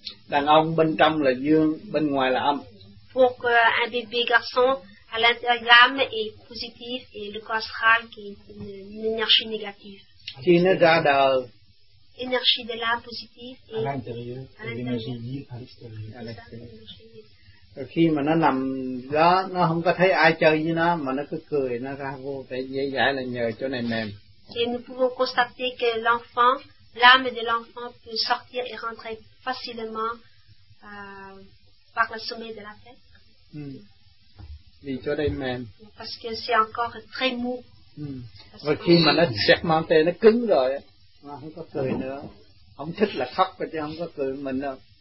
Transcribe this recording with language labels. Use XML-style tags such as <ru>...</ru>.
<vi>Đàn ông bên trong là dương, bên ngoài là âm.</vi> <fr>Pour un bébé garçon, à l'intérieur, l'âme est positive et le corps astral qui est une énergie négative. Qui ne da da. Énergie de l'âme positive et à l'intérieur, et l'énergie vive à l'extérieur. À l'extérieur.</fr> <vi>Khi mà nó nằm đó, nó không có thấy ai chơi với nó, mà nó cứ cười, nó ra vô, tại dễ dãi là nhờ chỗ này mềm.</vi> <fr>Et nous pouvons constater que l'enfant, l'âme de l'enfant peut sortir et rentrer facilement par le sommet de la tête.</fr> <vi>Vì chỗ này mềm.</vi> <fr>Parce que c'est encore très mou.</fr> <vi>Và khi mà nó segmenté, nó cứng rồi, nó không có cười nữa. Không thích là khóc, chứ không có cười mình đâu.</vi>